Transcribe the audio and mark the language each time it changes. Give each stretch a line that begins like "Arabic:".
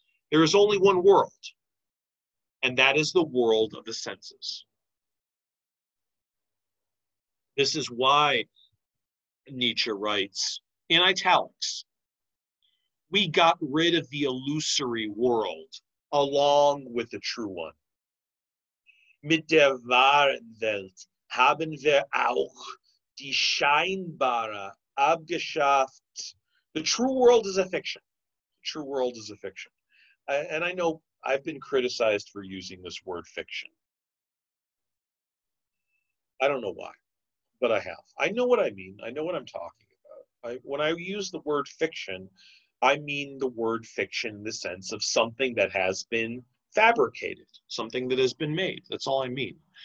English: There is only one world, and that is the world of the senses. This is why Nietzsche writes, in italics, we got rid of the illusory world along with the true one.
German: Mit der wahren Welt haben wir auch die scheinbare abgeschafft.
English: The true world is a fiction. The true world is a fiction. And I know I've been criticized for using this word fiction. I don't know why, but I have. I know what I mean. I know what I'm talking. When I use the word fiction, I mean the word fiction in the sense of something that has been fabricated, something that has been made. That's all I mean.